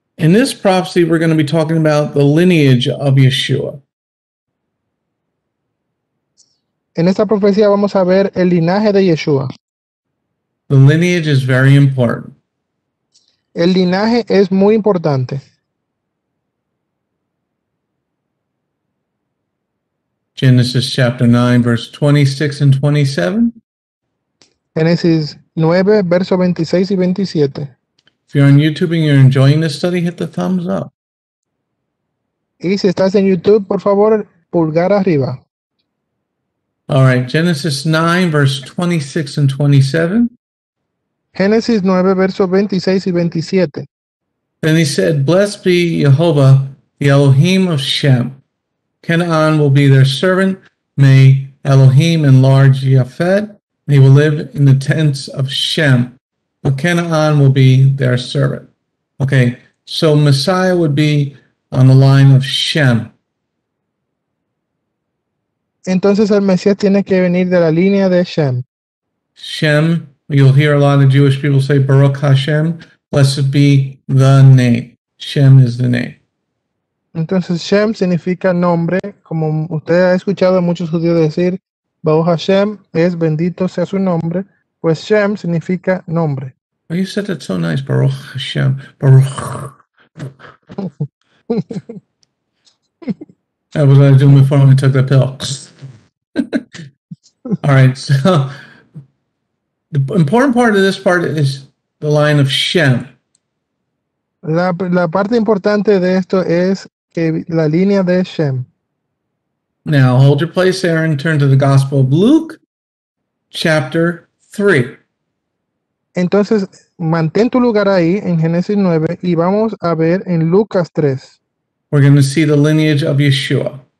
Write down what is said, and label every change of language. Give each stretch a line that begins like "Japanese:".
English: In this prophecy, we're going to be talking about the lineage of Yeshua.
Spanish: En esta profecía vamos a ver el linaje de Yeshua.
English: The lineage is very important.
Spanish: El linaje es muy importante.
English: Genesis chapter 9, verse 26 and 27.
Spanish: Génesis 9, verso 26 y 27.
English: If you're on YouTube and you're enjoying this study, hit the thumbs up.
Spanish: Y si estás en YouTube, por favor, pulgar arriba.
English: All right, Genesis 9, verse 26 and 27.
Spanish: Génesis 9, verso 26 y 27.
English: Then he said, "Blessed be Jehovah, the Elohim of Shem. Canaan will be their servant. May Elohim enlarge Yafet. They will live in the tents of Shem. But Canaan will be their servant." Okay, so Messiah would be on the line of Shem. Entonces el Mesías tiene que venir de la línea de Shem. Shem, you'll hear a lot of Jewish people say
Hebrew: Baruch Hashem.
English: Blessed be the name. Shem is the name.
Spanish: Entonces Shem significa nombre. Como usted ha escuchado a muchos judíos decir,
Hebrew: Baruch Hashem
Spanish: es bendito sea su nombre. Pues Shem significa nombre.
English: Oh, you said that so nice,
Hebrew: Baruch Hashem. Baruch.
English: That was what I was doing before I took the pill. All right, so the important part of this part is the line of Shem.
Spanish: La parte importante de esto es que la línea de Shem.
English: Now, hold your place there and turn to the Gospel of Luke, chapter 3.
Spanish: Entonces, mantén tu lugar ahí en Génesis 9 y vamos a ver en Lucas 3.
English: We're going to see the lineage of Yeshua.